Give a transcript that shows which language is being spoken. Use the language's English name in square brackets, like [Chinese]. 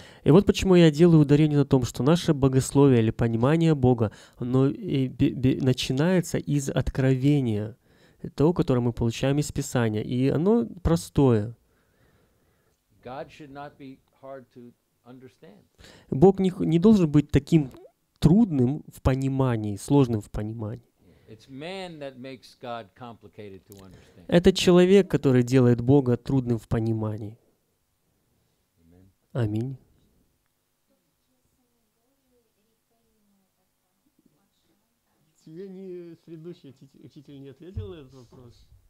[Russian] И вот почему я делаю ударение на том, что наше богословие или понимание Бога, оно начинается из откровения, того, которое мы получаем из Писания, и оно простое. [English] God should not be hard to understand. [Russian] Бог не должен быть таким трудным в понимании, сложным в понимании. [English] It's man that makes God complicated to understand. [Russian] Это человек, который делает Бога трудным в понимании. Аминь. Тебе не предыдущий учитель не ответил на этот вопрос?